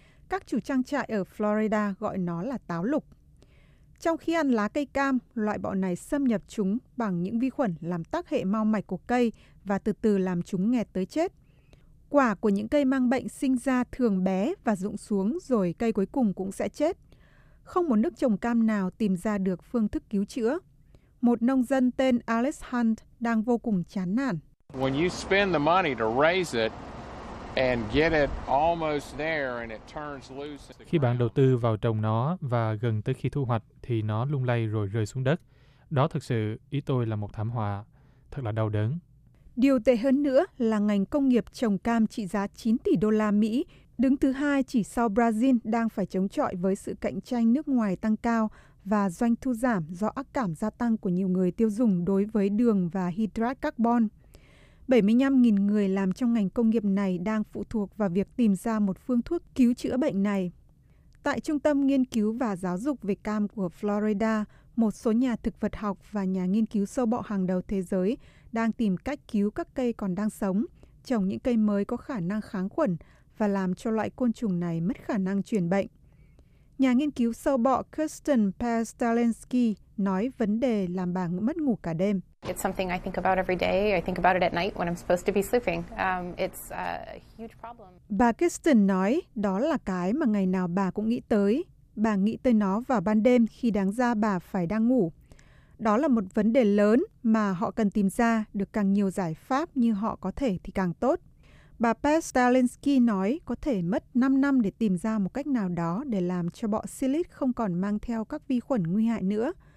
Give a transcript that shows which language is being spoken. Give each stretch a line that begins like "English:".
Vietnamese: Các chủ trang trại ở Florida gọi nó là táo lục. Trong khi ăn lá cây cam, loại bọ này xâm nhập chúng bằng những vi khuẩn làm tắc hệ mao mạch của cây và từ từ làm chúng nghẹt tới chết. Quả của những cây mang bệnh sinh ra thường bé và rụng xuống rồi cây cuối cùng cũng sẽ chết. Không một nước trồng cam nào tìm ra được phương thức cứu chữa. Một nông dân tên Alice Hunt đang vô cùng chán nản.
English: When you spend the money to raise it and get it almost there and it turns loose.
Vietnamese: Khi bạn đầu tư vào trồng nó và gần tới khi thu hoạch thì nó lung lay rồi rơi xuống đất. Đó thực sự ý tôi là một thảm họa, thật là đau đớn. Điều tệ hơn nữa là ngành công nghiệp trồng cam trị giá 9 tỷ đô la Mỹ, đứng thứ hai chỉ sau Brazil, đang phải chống chọi với sự cạnh tranh nước ngoài tăng cao và doanh thu giảm do ác cảm gia tăng của nhiều người tiêu dùng đối với đường và hydrat carbon. 75.000 người làm trong ngành công nghiệp này đang phụ thuộc vào việc tìm ra một phương thuốc cứu chữa bệnh này. Tại Trung tâm Nghiên cứu và Giáo dục về cam của Florida, một số nhà thực vật học và nhà nghiên cứu sâu bọ hàng đầu thế giới đang tìm cách cứu các cây còn đang sống, trồng những cây mới có khả năng kháng khuẩn và làm cho loại côn trùng này mất khả năng truyền bệnh. Nhà nghiên cứu sâu bọ Kirsten Perstalensky nói vấn đề làm bà mất ngủ cả đêm.
English: It's something I think about every day. I think about it at night when I'm supposed to be sleeping. It's a huge problem.
Vietnamese: Bà Kirsten nói đó là cái mà ngày nào bà cũng nghĩ tới. Bà nghĩ tới nó vào ban đêm khi đáng ra bà phải đang ngủ. Đó là một vấn đề lớn mà họ cần tìm ra, được càng nhiều giải pháp như họ có thể thì càng tốt. Bà Pestalinsky nói có thể mất 5 năm để tìm ra một cách nào đó để làm cho bọ Psyllid không còn mang theo các vi khuẩn nguy hại nữa.